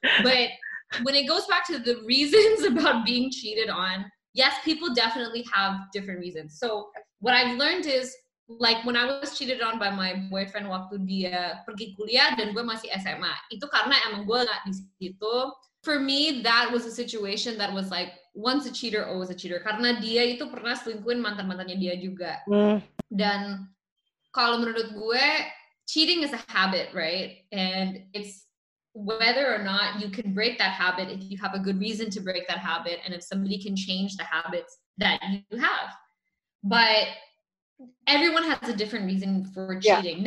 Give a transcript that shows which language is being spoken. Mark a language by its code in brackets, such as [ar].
[en] But when it goes back to the reasons about being cheated on, yes, people definitely have different reasons. So what I've learned is, like when I was cheated on by my boyfriend [id] waktu dia pergi kuliah dan gue masih SMA, itu karena emang gue gak di situ. [en] For me, that was a situation that was like, once a cheater, always a cheater. [id] Karena dia itu pernah selingkuhin mantan-mantannya dia juga. Mm. Dan kalau menurut gue, [en] cheating is a habit, right? And it's whether or not you can break that habit, if you have a good reason to break that habit, and if somebody can change the habits that you have. But everyone has a different reason for cheating.